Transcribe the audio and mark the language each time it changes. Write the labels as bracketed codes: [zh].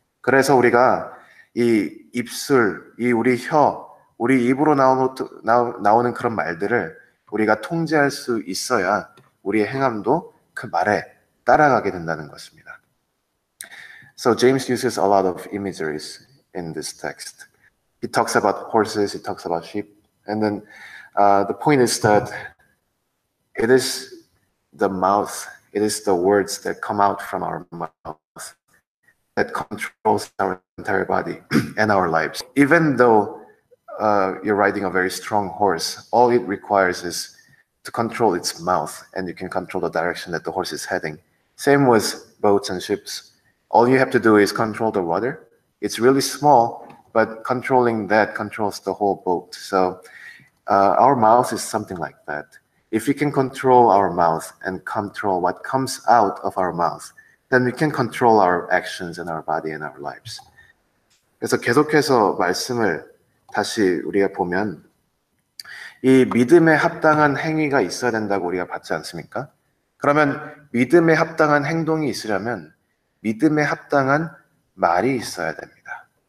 [ko] 그래서 우리가 이 입술, 이 우리 혀, 우리 입으로 나오는 그런 말들을 우리가 통제할 수 있어야 우리의 행함도 그 말에 따라가게 된다는 것입니다. [en] So James uses a lot of imageries in this text. He talks about horses, he talks about sheep, and then the point is that it is the mouth, it is the words that come out from our mouth that controls our entire body and our lives. Even though you're riding a very strong horse, all it requires is to control its mouth, and you can control the direction that the horse is heading. Same with boats and ships. All you have to do is control the rudder. It's really small, but controlling that controls the whole boat. So our mouth is something like that. If we can control our mouth and control what comes out of our mouth, then we can control our actions and our body and our lives. [ko] 그래서 계속해서 말씀을 다시 우리가 보면 이 믿음에 합당한 행위가 있어야 된다고 우리가 봤지 않습니까? 그러면 믿음에 합당한 행동이 있으려면 믿음에 합당한 말이 있어야 됩니다.